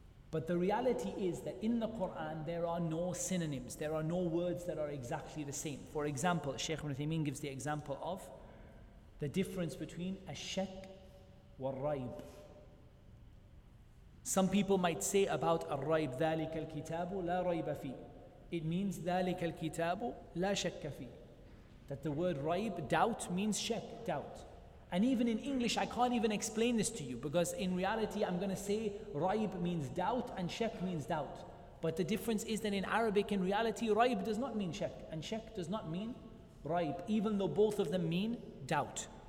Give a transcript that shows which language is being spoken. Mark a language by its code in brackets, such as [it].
[en] But the reality is that in the Quran there are no synonyms, there are no words that are exactly the same. For example, Shaykh Ibn Uthaymeen gives the example of the difference between ash-shak wal-raib. Some people might say about ar-raib, [ar] ذَلِكَ الْكِتَابُ لَا رَيْبَ فِي. [en] It means [ar] ذَلِكَ الْكِتَابُ لَا شَكَّ فِي. [en] That the word raib, doubt, means shak, doubt. And even in English, I can't even explain this to you, because in reality, I'm going to say raib means doubt and shak means doubt. But the difference is that in Arabic, in reality, raib does not mean shak, and shak does not mean raib, even though both of them mean doubt.